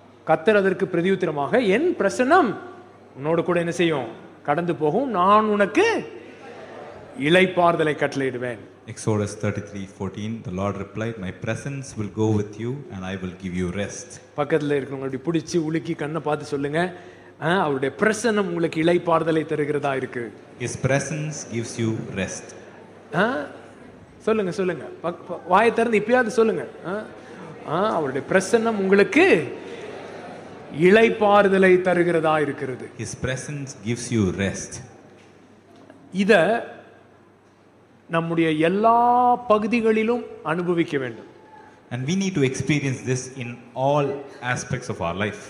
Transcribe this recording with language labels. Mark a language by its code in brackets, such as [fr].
[ta] கர்த்தர் அதற்கு பிரதியுத்தரமாக, என் பிரசன்னம் உன்னோடு கூட என்ன செய்யும், கடந்து போகும், நான் உனக்கு இளைப்பாறுதலை கட்டளையிடுவேன். [en] Exodus 33:14, the Lord replied, my presence will go with you and I will give you rest. [ta] பக்கத்துல இருக்கவங்க அப்படி பிடிச்சி உலுக்கி கண்ணை பார்த்து சொல்லுங்க, அவருடைய பிரசன்னம் உங்களுக்கு இளைப்பாறுதலை தருகிறதா இருக்கு. [en] His presence gives you rest. [ta] சொல்லுங்க சொல்லுங்க, வாயை திறந்து இப்பயாவது சொல்லுங்க, அவருடைய பிரசன்னம் உங்களுக்கு இளைப்பாறுதலை தருகிறதா இருக்கிறது. [en] His presence gives you rest. [ta] இத நம்முடைய எல்லா பகுதிகளிலும் அனுபவிக்க வேண்டும். [en] And we need to experience this in all aspects of our life.